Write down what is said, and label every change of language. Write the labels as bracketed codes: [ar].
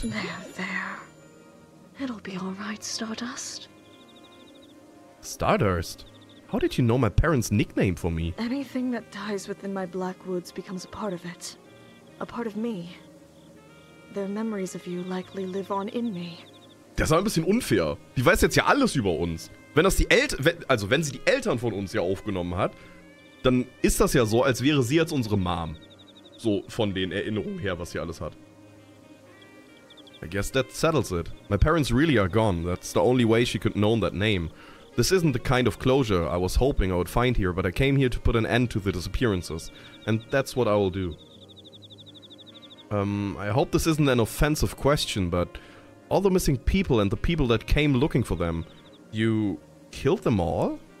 [en] There. It'll be alright, Stardust. Stardust? How did you know my parents' nickname for me? Anything that dies within my black woods becomes a part of it. A part of me. Their memories of you likely live on in me. [de] Das ist aber ein bisschen unfair. Die weiß jetzt ja alles über uns. Wenn das wenn sie die Eltern von uns ja aufgenommen hat, dann ist das ja so, als wäre sie jetzt unsere Mom. So von den Erinnerungen her, was sie alles hat. [en] I guess that settles it. My parents really are gone. That's the only way she could know that name. This isn't the kind of closure I was hoping I would find here, but I came here to put an end to the disappearances. And that's what I will do. I hope this isn't an offensive question, but all the missing people and the people that came looking for them, you killed them all?